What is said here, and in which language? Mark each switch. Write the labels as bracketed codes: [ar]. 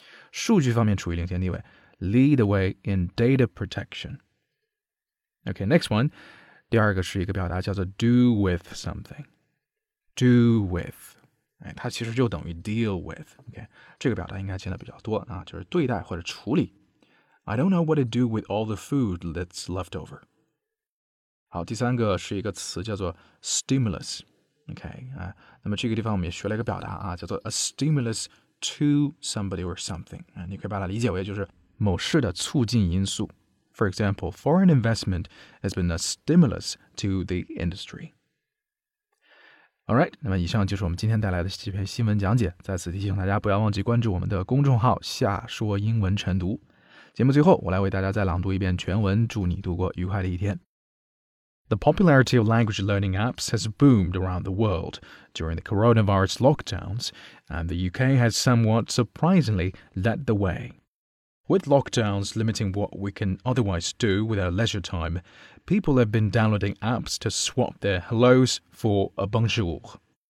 [zh] 数据方面处于领先地位 ， [en] lead the way in data protection。 OK，next one， [zh] 第二个是一个表达叫做 do with something。 do with。 它其实就等于 deal with、okay? 这个表达应该见得比较多、就是对待或者处理。 [en] I don't know what to do with all the food that's left over。 [zh] 好，第三个是一个词叫做 stimulus、okay? 那么这个地方我们也学了一个表达、叫做 a stimulus to somebody or something、你可以把它理解为就是某事的促进因素。 [en] For example, foreign investment has been a stimulus to the industryAlright, [zh] 那么以上就是我们今天带来的这篇新闻讲解。在此提醒大家不要忘记关注我们的公众号下说英文晨读。节目最后我来为大家再朗读一遍全文，祝你度过愉快的一天。 [en] The popularity of language learning apps has boomed around the world during the coronavirus lockdowns, and the UK has somewhat surprisingly led the way. With lockdowns limiting what we can otherwise do with our leisure time,People have been downloading apps to swap their hellos for a bonjour.